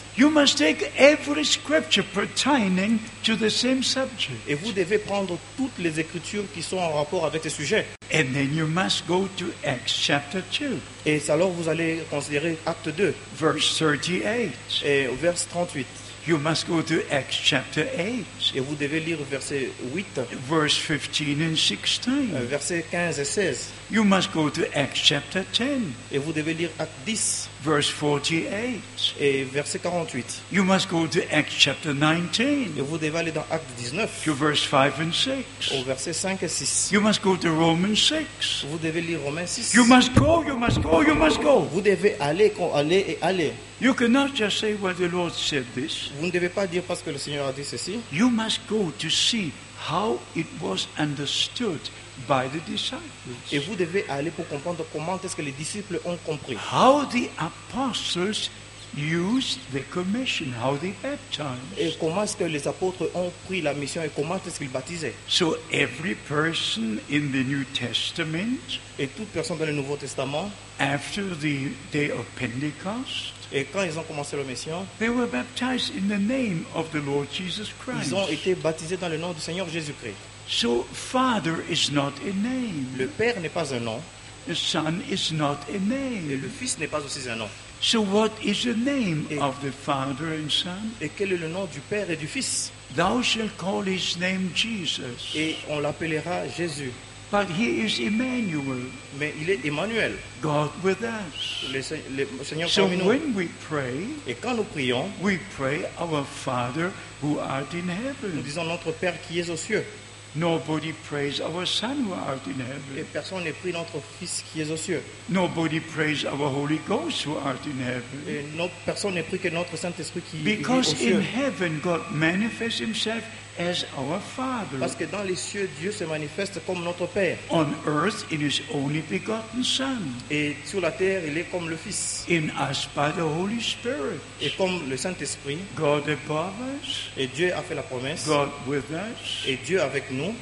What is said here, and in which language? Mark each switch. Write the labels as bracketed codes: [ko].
[en] You must take every scripture pertaining to the same subject. [fr] Et vous devez prendre toutes les écritures qui sont en rapport avec ce sujet. [en] And then you must go to Acts chapter 2. [fr] Et alors vous allez considérer Acte 2. [en] Verse 38. [fr] Et verse 38. [en] You must go to Acts chapter 8. [fr] Et vous devez lire verset 8. [en] Verse 15 and 16. [fr] Verset 15 et 16. [en] You must go to Acts chapter 10. [fr] Et vous devez lire Acte 10. [en] Verse 48. [fr] Et verset 48. [en] You must go to Acts chapter 19. [fr] Et vous devez aller dans Acte 19. [en] To verse 5 and 6. [fr] Au verset 5 et 6. [en] You must go to Romans 6. [fr] Vous devez lire Romains 6. [en] You must go, you must go, you must go. [fr] Vous devez aller, aller et aller. [en] You cannot just say what the Lord said this. [fr] Vous ne devez pas dire parce que le Seigneur a dit ceci. [en] You must go to see how it was understood by the disciples. [fr] Et vous devez aller pour comprendre comment est-ce que les disciples ont compris. [en] How the apostles used the commission, how they baptized. [fr] Et comment est-ce que les apôtres ont pris la mission et comment est-ce qu'ils baptisaient. [en] So every person in the New Testament, [fr] et toute personne dans le Nouveau Testament, [en] after the day of Pentecost, [fr] et quand ils ont commencé leur mission, [en] they were baptized in the name of the Lord Jesus Christ. [fr] Ils ont été baptisés dans le nom du Seigneur Jésus-Christ. [en] So Father is not a name. [fr] Le Père n'est pas un nom. [en] The Son is not a name. [fr] Et le Fils n'est pas aussi un nom. [en] So what is the name of the Father and Son? [fr] Et quel est le nom du Père et du Fils? [en] Thou shalt call his name Jesus. [fr] Et on l'appellera Jésus. [en] But he is Emmanuel. [fr] Mais il est Emmanuel. [en] God with us. [fr] Le Seigneur so parmi nous. [en] When we pray, [fr] et quand nous prions, [en] we pray our Father who art in heaven. [fr] Nous disons notre Père qui est aux cieux. [en] Nobody prays our Son who art in heaven. [fr] Et personne ne prie notre Fils qui est aux cieux. [en] Nobody prays our Holy Ghost who art in heaven. [fr] Et personne ne prie que notre Saint-Esprit qui est aux cieux. [en] Because in heaven God manifests himself as our Father. [fr] Parce que dans les cieux Dieu se manifeste comme notre Père. [en] On earth in his only begotten Son. [fr] Et sur la terre il est comme le Fils. [en] In us by the Holy Spirit. [fr] Et comme le Saint-Esprit. [en] God above us. [fr] Et Dieu a fait la promesse. [en] God with us. [fr] Et Dieu avec nous.